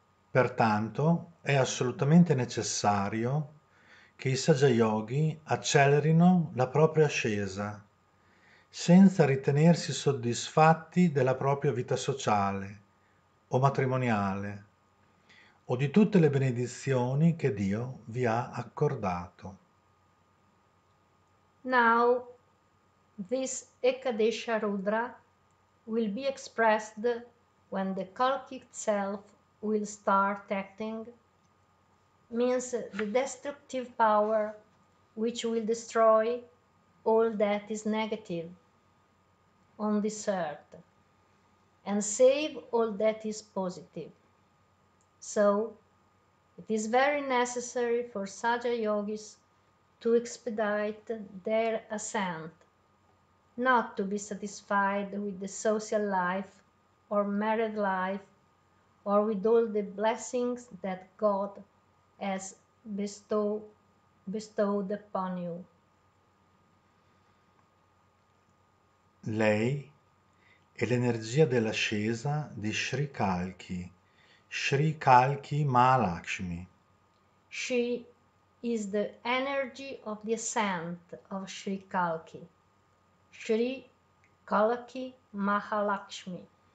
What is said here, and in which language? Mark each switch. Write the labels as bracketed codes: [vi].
[it] Pertanto è assolutamente necessario che i Sahaja Yogi accelerino la propria ascesa senza ritenersi soddisfatti della propria vita sociale o matrimoniale o di tutte le benedizioni che Dio vi ha accordato. [en] Now, this Ekadesha Rudra will be expressed when the Kalki itself will start acting, means the destructive power which will destroy all that is negative on this earth and save all that is positive. So, it is very necessary for Sajja Yogis to expedite their ascent, not to be satisfied with the social life or married life or with all the blessings that God has bestowed upon you. [it] Lei è l'energia dell'ascesa di Sri Kalki, Sri Kalki Mahalakshmi. [en] She is the energy of the ascent of Sri Kalki, Sri Kalki Mahalakshmi.